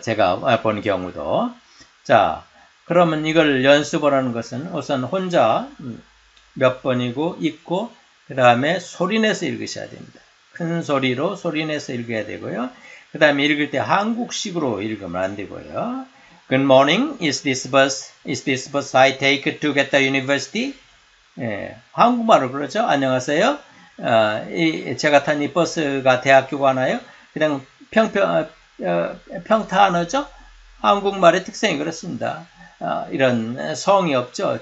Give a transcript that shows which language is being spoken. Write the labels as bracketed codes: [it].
[ko] 제가 본 경우도. 자, 그러면 이걸 연습하라는 것은 우선 혼자 몇 번이고 읽고 그 다음에 소리내서 읽으셔야 됩니다. 큰 소리로 소리내서 읽어야 되고요. 그 다음에 읽을 때 한국식으로 읽으면 안 되고요. [en] Good morning. Is this bus I take to get the university? [ko] 예, 한국말로 그러죠. 안녕하세요. 제가 탄이 버스가 대학교 가나요? 그냥 평타 언어죠. 한국말의 특성이 그렇습니다. 이런 성이 없죠.